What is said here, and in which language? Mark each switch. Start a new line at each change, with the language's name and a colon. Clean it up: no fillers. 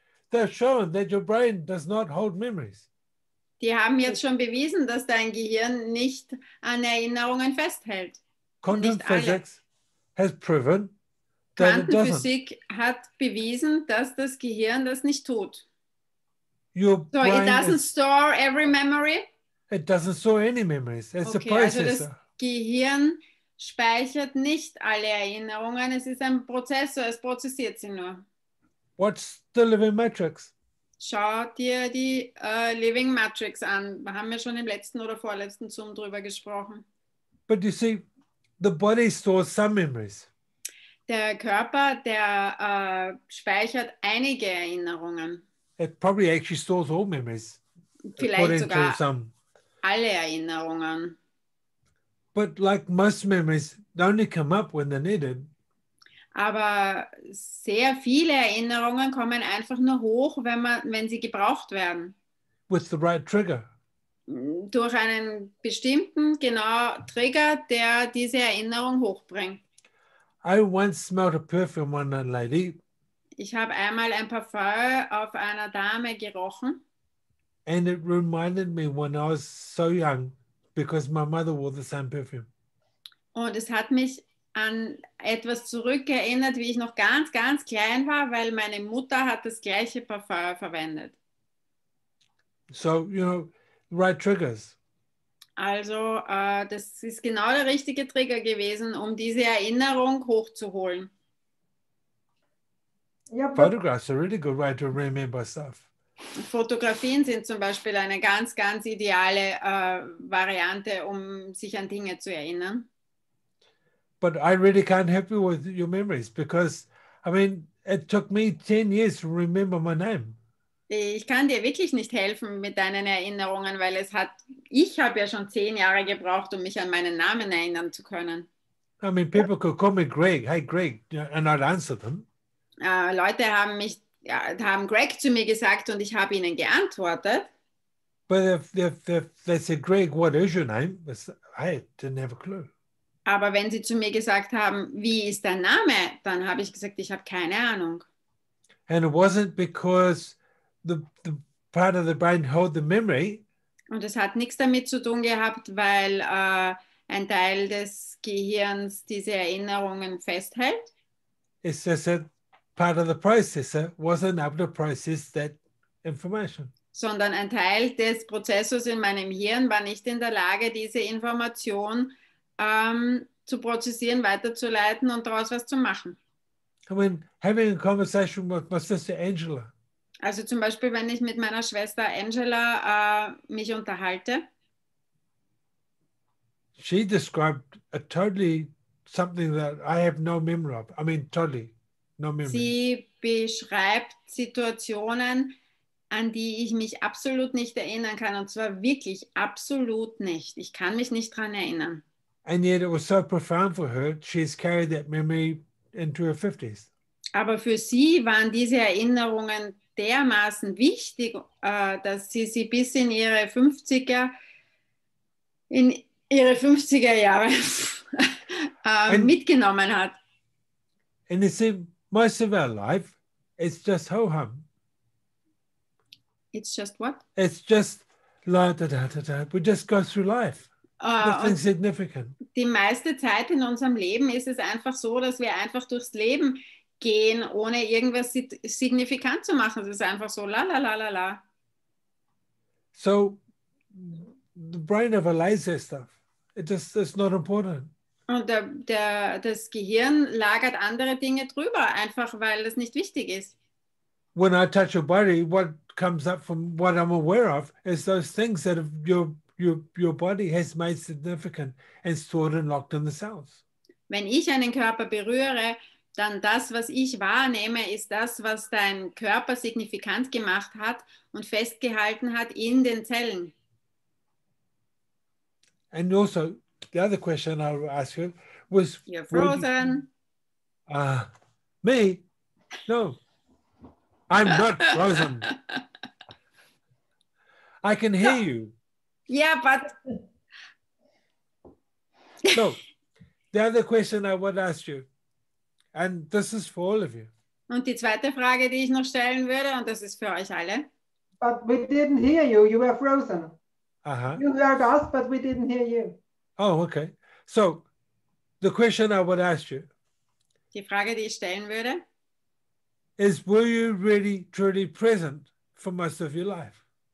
English: They've shown that your brain does not hold memories.
German: Die haben jetzt schon bewiesen, dass dein Gehirn nicht an Erinnerungen festhält.
English: Quantum physics has proven.
German: Quantenphysik hat bewiesen, dass das Gehirn das nicht tut.
English: It doesn't store every memory. It doesn't store any memories. It's a processor.
German: Also das Gehirn speichert nicht alle Erinnerungen. Es ist ein Prozessor. Es prozessiert sie nur.
English: What's the living matrix?
German: Schau dir die Living Matrix an. Wir haben ja schon im letzten oder vorletzten Zoom drüber gesprochen.
English: But you see, the body stores some memories.
German: Der Körper, der speichert einige Erinnerungen.
English: It probably actually stores all memories.
German: Vielleicht sogar some. Alle Erinnerungen.
English: But like most memories, they only come up when they're needed.
German: Aber sehr viele Erinnerungen kommen einfach nur hoch, wenn sie gebraucht werden.
English: With the right trigger.
German: Durch einen bestimmten, genau, Trigger, der diese Erinnerung hochbringt.
English: I once smelled a perfume on a lady.
German: Ich habe einmal ein Parfum auf einer Dame gerochen.
English: And it reminded me when I was so young, because my mother wore the same perfume.
German: Und es hat mich an etwas zurückerinnert, wie ich noch ganz, ganz klein war, weil meine Mutter hat das gleiche Parfum verwendet.
English: So, you know, right triggers.
German: Also, das ist genau der richtige Trigger gewesen, um diese Erinnerung hochzuholen.
English: Yeah, photographs are a really good way to remember stuff.
German: Fotografien sind zum Beispiel eine ganz, ganz ideale Variante, um sich an Dinge zu erinnern.
English: but I really can't help you with your memories because, I mean, it took me 10 years to remember my name.
German: Ich kann dir wirklich nicht helfen mit deinen Erinnerungen, weil es hat, ich habe ja schon 10 Jahre gebraucht, um mich an meinen Namen erinnern zu können.
English: I mean, people could call me Greg, hey Greg, and I'd answer them.
German: Leute haben mich, ja, haben Greg zu mir gesagt und ich habe ihnen geantwortet.
English: But if they said, Greg, what is your name? I didn't have a clue.
German: Aber wenn sie zu mir gesagt haben, wie ist dein Name? Dann habe ich gesagt, ich habe keine Ahnung.
English: And it wasn't because the part of the brain held the memory.
German: Und es hat nichts damit zu tun gehabt, weil ein Teil des Gehirns diese Erinnerungen festhält.
English: It's just that part of the processor wasn't able to process that information.
German: Sondern ein Teil des Prozessors in meinem Hirn war nicht in der Lage, diese Information zu prozessieren, weiterzuleiten und daraus was zu machen.
English: I mean, having a conversation with my sister Angela.
German: Also zum Beispiel, wenn ich mit meiner Schwester Angela mich unterhalte.
English: She described a totally something that I have no memory of. I mean, totally no memory.
German: Sie beschreibt Situationen, an die ich mich absolut nicht erinnern kann, und zwar wirklich absolut nicht. Ich kann mich nicht dran erinnern.
English: And yet it was so profound for her, she's carried that memory into her 50s.
German: Aber für sie waren diese Erinnerungen dermaßen wichtig, dass sie sie bis in ihre 50er, Jahre mitgenommen hat.
English: And you see, most of our life is just ho-hum. It's just what? It's just la da da da da. We just go through life. Nothing significant.
German: Die meiste Zeit in unserem Leben ist es einfach so, dass wir einfach durchs Leben gehen, ohne irgendwas signifikant zu machen. Es ist einfach so la la la la la.
English: So, the brain of a lazy stuff. It just is not important.
German: Und das Gehirn lagert andere Dinge drüber, einfach weil das nicht wichtig ist.
English: When I touch your body, what comes up from what I'm aware of is those things that your body has made significant and stored and locked in the cells.
German: Wenn ich einen Körper berühre, dann das, was ich wahrnehme, ist das, was dein Körper signifikant gemacht hat und festgehalten hat in den Zellen.
English: And also, the other question I'll ask you was... You're frozen. Me? No. I'm not frozen. I can hear you. Yeah, but... So, the other question I would ask you, and this is for all of you.
German: Und die zweite Frage, die ich noch stellen würde, und das ist für euch alle.
English: But we didn't hear you. You were frozen. Uh-huh. You heard us, but we didn't hear you. Oh, okay. So, the question I would ask you...
German: Die Frage, die ich stellen würde...
English: Is were you really truly present for most of your life?